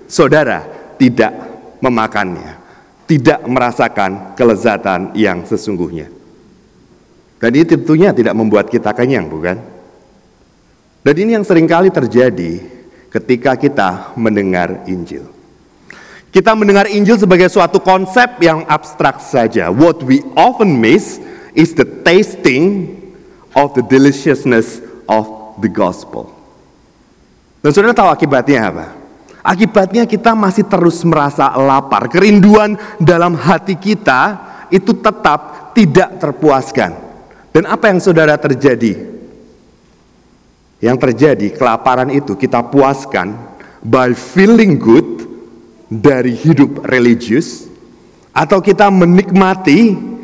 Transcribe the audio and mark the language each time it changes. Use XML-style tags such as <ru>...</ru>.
<id>Saudara tidak memakannya. Tidak merasakan kelezatan yang sesungguhnya. Dan ini tentunya tidak membuat kita kenyang, bukan? Dan ini yang seringkali terjadi ketika kita mendengar Injil. Kita mendengar Injil sebagai suatu konsep yang abstrak saja.</id> <en>What we often miss is the tasting of the deliciousness of the gospel.</en> <id>Dan saudara tahu akibatnya apa? Akibatnya kita masih terus merasa lapar. Kerinduan dalam hati kita itu tetap tidak terpuaskan. Dan apa yang saudara terjadi? Yang terjadi, kelaparan itu kita puaskan by feeling good dari hidup religius, atau kita menikmati</id>